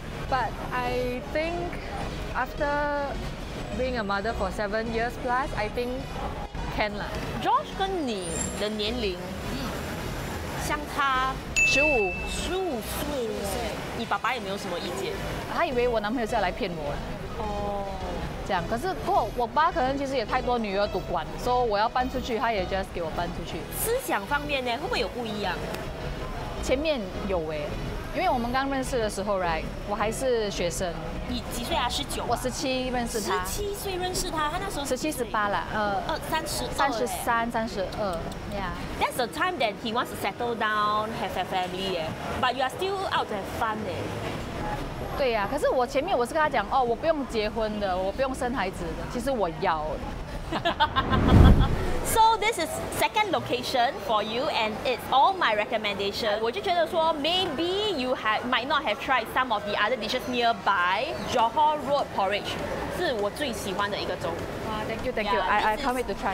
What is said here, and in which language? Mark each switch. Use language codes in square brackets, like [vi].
[en] But I think after being a mother for 7 years plus, I think can lah. [zh] Josh 跟你的年龄相差15岁，你爸爸也没有什么意见？他以为我男朋友是要来骗我。哦，这样。可是我爸可能其实也太多女儿独管，所以我要搬出去，他也 just 给我搬出去。思想方面呢，会不会有不一样？前面有耶，因为我们刚认识的时候 ，right， 我还是学生。你几岁啊？19。我17认识他。17岁认识他，他那时候17、18了，33、32。 [en] Yeah。 That's the time that he wants to settle down, have a family. But you are still out to have fun. [zh] 对呀，可是我前面我是跟他讲，哦，我不用结婚的，我不用生孩子的，其实我要。 [en] So this is second location for you, and it's all my recommendation. [zh] 我就觉得说, [en] maybe you might not have tried some of the other dishes nearby. [zh] Johor Road Porridge 是我最喜欢的一个粥。 [en] Thank you. I can't wait to try.